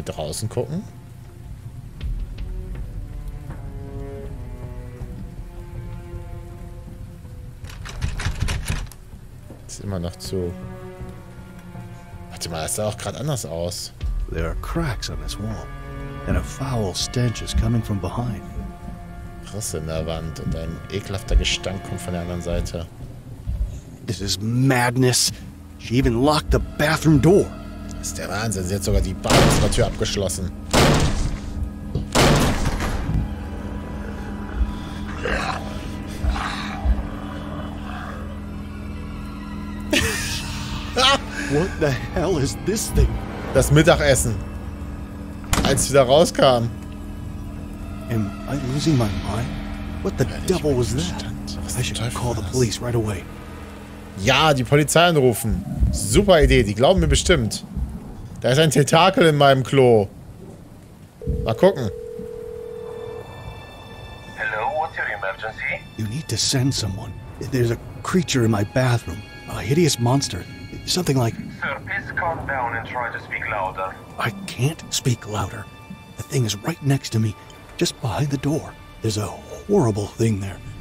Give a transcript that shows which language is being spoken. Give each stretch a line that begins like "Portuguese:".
German: Draußen gucken. Ist immer noch zu. Warte mal, das sah auch gerade anders aus.
English: There are cracks on this wall, and a foul stench is coming from behind.
German: Risse in der Wand und ein ekelhafter Gestank kommt von der anderen Seite.
English: This is madness. She even locked the bathroom door.
German: Das ist der Wahnsinn, sie hat sogar die Badezimmertür abgeschlossen.
English: What the hell is this thing?
German: Das Mittagessen. Als sie da rauskam.
English: Am I losing my mind? What the devil was that? I should call the police right away.
German: Ja, die Polizei anrufen. Super Idee, die glauben mir bestimmt. Da ist ein Tentakel in meinem Klo. Mal gucken.
English: Hello, what's your emergency? You need to send someone. There's a creature in my bathroom. A hideous monster. Something like... Sir, please calm down and try to speak louder. I can't speak louder. The thing is right next to me, just behind the door. There's a horrible thing there.